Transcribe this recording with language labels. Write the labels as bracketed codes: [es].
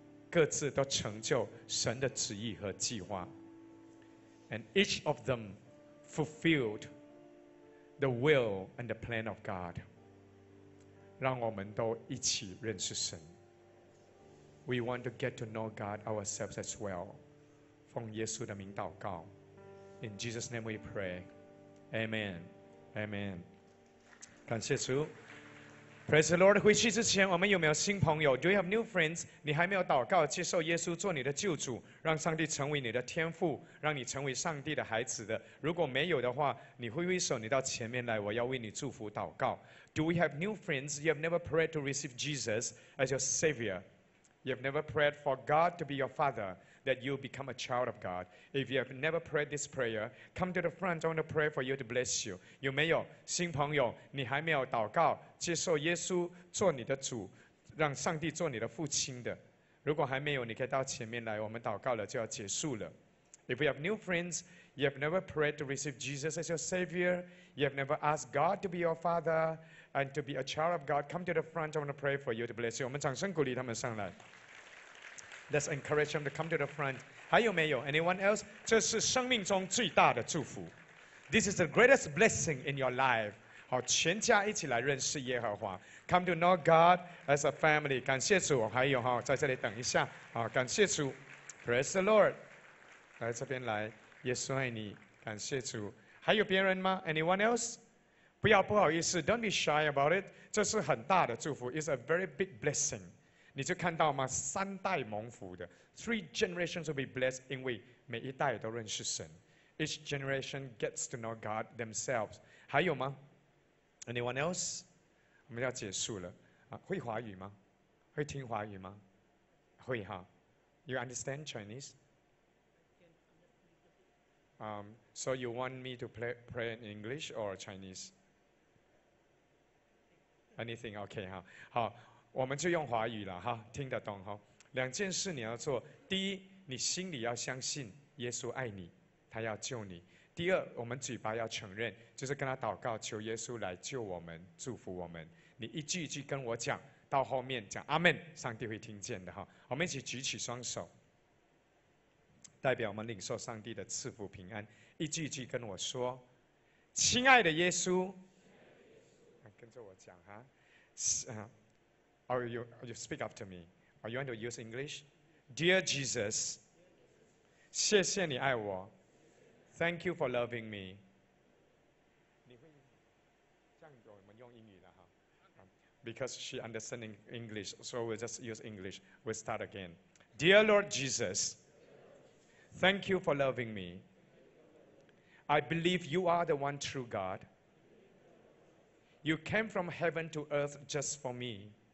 [zh] 各自都成就神的旨意和计划。 [en] And each of them fulfilled the will and the plan of God. [zh] 让我们都一起认识神。 [en] We want to get to know God ourselves as well. [zh] 奉耶稣的名祷告。 [en] In Jesus' name we pray. Amen. Amen. [zh] 感谢主。 [en] Praise the Lord. [zh] 回去之前，我们有没有新朋友？ [en] Do you have new friends? [zh] 你还没有祷告接受耶稣做你的救主，让上帝成为你的天父，让你成为上帝的孩子的。如果没有的话，你挥挥手，你到前面来，我要为你祝福祷告。 [en] Do we have new friends? You have never prayed to receive Jesus as your Savior. You have never prayed for God to be your Father, that you become a child of God. If you have never prayed this prayer, come to the front, I want to pray for you to bless you. [zh] 有没有新朋友？你还没有祷告接受耶稣做你的主，让上帝做你的父亲的，如果还没有，你可以到前面来，我们祷告了就要结束了。 [en] If you have new friends, you have never prayed to receive Jesus as your Savior, you have never asked God to be your Father and to be a child of God, come to the front, I want to pray for you to bless you. [zh] 我们掌声鼓励他们上来。 [en] Let's encourage them to come to the front. [zh] 还有没有 [en] anyone else? [zh] 这是生命中最大的祝福。 [en] This is the greatest blessing in your life. [zh] 好，全家一起来认识耶和华。 [en] Come to know God as a family. [zh] 感谢主。还有，在这里等一下，好，感谢主。 [en] Praise the Lord. [zh] 来这边来，耶稣爱你，感谢主。还有别人吗？ [en] Anyone else? [zh] 不要不好意思， [en] Don't be shy about it. [zh] 这是很大的祝福。 [en] It's a very big blessing. [zh] 你就看到吗？三代蒙福的 ， [en] three generations will be blessed， [zh] 因为每一代都认识神。 [en] Each generation gets to know God themselves。 [zh] 还有吗 ？ [en] Anyone else？ [zh] 我们要结束了。啊，会华语吗？会听华语吗？会哈。 [en] You understand Chinese? So you want me to pray in English or Chinese? Anything okay 哈？ [zh] 好，我们就用华语了哈，听得懂哈。两件事你要做，第一，你心里要相信耶稣爱你，他要救你。第二，我们嘴巴要承认，就是跟他祷告，求耶稣来救我们，祝福我们。你一句一句跟我讲，到后面讲阿们，上帝会听见的哈。我们一起举起双手，代表我们领受上帝的赐福平安。一句一句跟我说，亲爱的耶稣，跟着我讲哈。 [en] Are you speak up to me? Are you going to use English? Dear Jesus, [zh] 谢谢你爱我。 [en] Thank you for loving me. [zh] 你会这样我们用英语了哈。 [en] Because she understanding English, so we'll just use English. We'll start again. Dear Lord Jesus, thank you for loving me. I believe you are the one true God. You came from heaven to earth just for me.